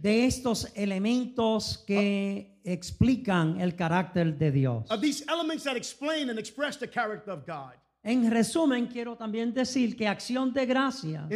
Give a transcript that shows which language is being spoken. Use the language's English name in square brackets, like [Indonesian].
[Spanish] de estos elementos que explican el carácter de Dios. [English] Of these elements that explain and express the character of God. [Spanish] En resumen, quiero también decir que acción de gracias,